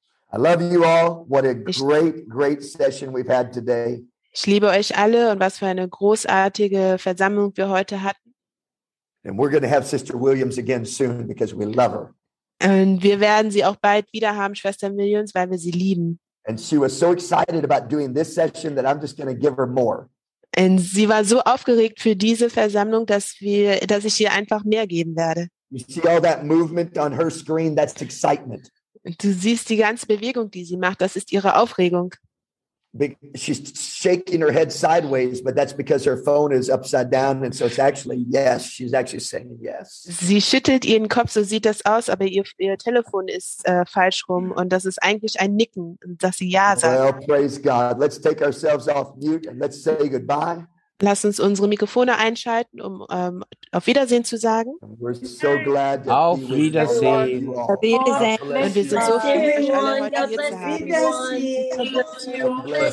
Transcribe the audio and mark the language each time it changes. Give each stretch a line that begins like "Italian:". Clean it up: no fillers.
English: I love you all. What a great, great session we've had today.
German: Ich liebe euch alle und was für eine großartige Versammlung wir heute hatten.
English: And we're going to have Sister Williams again soon, because we love her.
German: Und wir werden sie auch bald wieder haben, Schwester Williams, weil wir sie lieben.
English: And she was so excited about doing this session that I'm just going to give her more.
German: Und sie war so aufgeregt für diese Versammlung, dass ich ihr einfach mehr geben werde.
English: You see all that movement on her screen? That's excitement.
German: Und du siehst die ganze Bewegung, die sie macht. Das ist ihre Aufregung.
English: She's shaking her head sideways, but that's because her phone is upside down, and so it's actually yes. She's actually saying yes.
German: Sie schüttelt ihren Kopf, so sieht das aus, aber ihr Telefon ist falsch rum, und das ist eigentlich ein Nicken, dass sie ja sagt.
English: Well, praise God. Let's take ourselves off mute and let's say goodbye.
German: Lass uns unsere Mikrofone einschalten, um auf Wiedersehen zu sagen.
English: We're so glad
German: to auf Wiedersehen. Auf Wiedersehen. Und wir sind so froh, dass wir hier